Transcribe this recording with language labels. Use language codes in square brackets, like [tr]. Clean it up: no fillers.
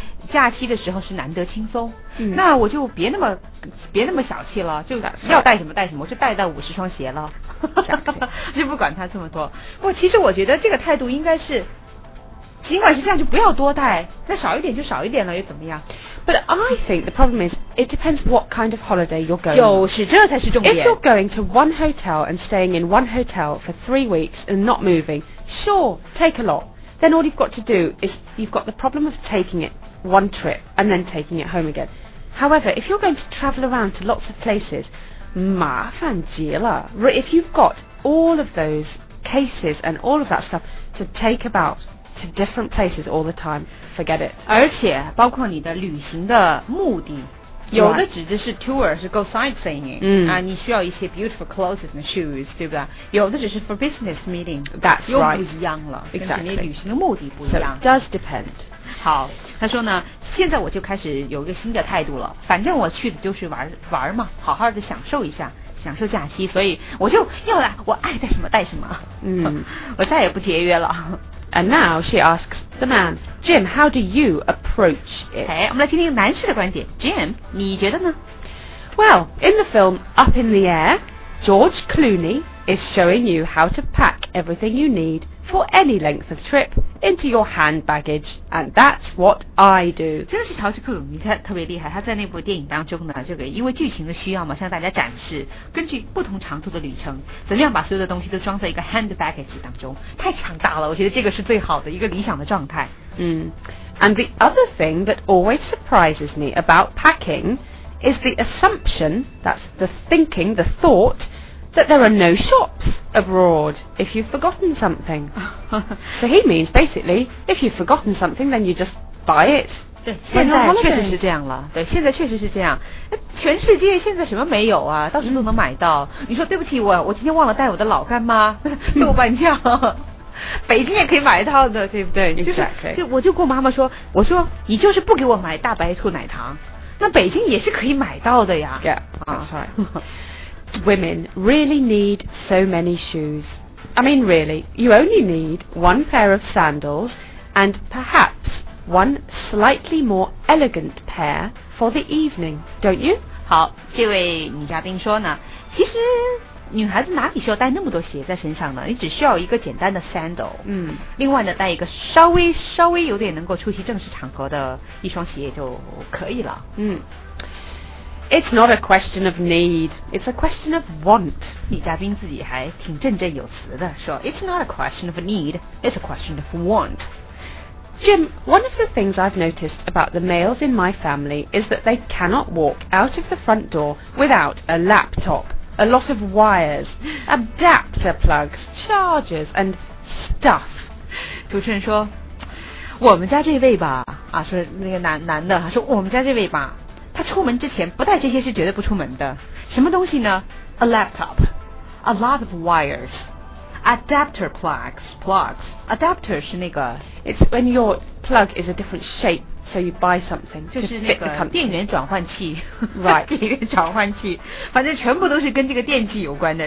[zh] 假期的时候是难得轻松，那我就别那么小气了，就要带什么带什么，我就带到50双鞋了，就不管他这么多。不，其实我觉得这个态度应该是，尽管是这样，就不要多带，那少一点就少一点了，又怎么样 [en] ？But I think the problem is it depends what kind of holiday you're going. [zh] 就是这才是重点。 [en] If you're going to one hotel and staying in one hotel for 3 weeks and not moving, sure, take a lot. Then all you've got to do is you've got the problem of taking it one trip and then taking it home again. However, if you're going to travel around to lots of places, [zh] 麻烦极了。 [en] If you've got all of those cases and all of that stuff to take about to different places all the time, forget it. [zh] 而且包括你的旅行的目的，有的指的是 tour 是 [en] go sightseeing、 [zh] 你需要一些 [en] beautiful clothes and shoes [zh] 对不对，有的只是 [en] for business meeting that's right [zh] 又不一样了、 [en] exactly. [zh] 跟你旅行的目的不一样、 [en] so、does depend [zh] 好他说呢现在我就开始有一个新的态度了反正我去的就是玩嘛好好的享受一下享受假期所以我就要来我爱带什么带什么、我再也不节约了 [en] And now she asks the man, Jim, how do you approach it? [zh] Hey, 我们来听听男士的观点。 Jim, 你觉得呢？ [en] Well, in the film Up in the Air, George Clooney is showing you how to pack everything you need for any length of trip into your hand baggage, and that's what I do. [zh] 真的是乔治·克鲁尼特别厉害，他在那部电影当中呢，这个因为剧情的需要嘛，向大家展示根据不同长途的旅程，怎么样把所有的东西都装在一个 hand baggage 当中，太强大了，我觉得这个是最好的一个理想的状态。 [en] And the other thing that always surprises me about packing is the assumption, that's the thinking, the thought,that there are no shops abroad if you've forgotten something. So he means basically, if you've forgotten something, then you just buy it. [zh] 对，现在确实是这样了。对，现在确实是这样。全世界现在什么没有啊？到处都能买到。你说对不起，我今天忘了带我的老干妈，豆瓣酱。北京也可以买到的，对不对？就是， [en] exactly. [zh] 就我就跟我妈妈说，我说你就是不给我买大白兔奶糖，那北京也是可以买到的呀。 [en] Yeah, that's right. Women really need so many shoes. I mean, really, you only need one pair of sandals and perhaps one slightly more elegant pair for the evening, don't you? [zh] 好，这位女嘉宾说呢，其实女孩子哪里需要带那么多鞋在身上呢？你只需要一个简单的 sandal。另外呢，带一个稍微有点能够出席正式场合的一双鞋就可以了。 [en] It's not a question of need, it's a question of want. [zh] 女嘉宾自己还挺振振有词的说 [en] It's not a question of need, it's a question of want. Jim, one of the things I've noticed about the males in my family is that they cannot walk out of the front door without a laptop, a lot of wires, adapter plugs, chargers and stuff. [zh] 主持人说我们家这位吧啊，说那个男的他说我们家这位吧他出门之前不带这些是绝对不出门的。什么东西呢 [en] ？A laptop, a lot of wires, adapter plugs. [zh] Adapter 是那个 [en] ，It's when your plug is a different shape, so you buy something. [zh] 就是那个电源转换器 [en] ，Right. [zh] 电源转换器，反正全部都是跟这个电器有关的。